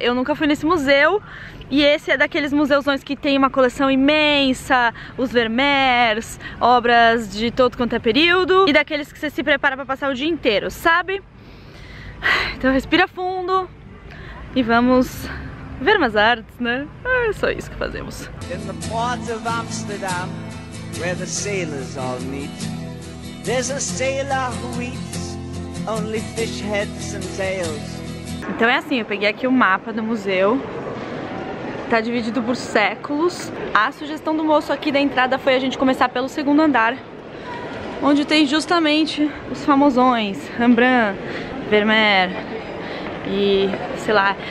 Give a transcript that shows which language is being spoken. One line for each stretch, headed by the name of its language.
Portuguese: Eu nunca fui nesse museu. E esse é daqueles museuzões que tem uma coleção imensa, os Vermeers, obras de todo quanto é período. E daqueles que você se prepara pra passar o dia inteiro, sabe? Então respira fundo e vamos ver umas artes, né? Ah, é só isso que fazemos.
English: In the port of Amsterdam, where the sailors all meet, there's a sailor who eats only fish heads and tails.
Portuguese: Então é assim, eu peguei aqui o mapa do museu. Tá dividido por séculos. A sugestão do moço aqui da entrada foi a gente começar pelo segundo andar, onde tem justamente os famosões, Rembrandt, Vermeer e sei lá.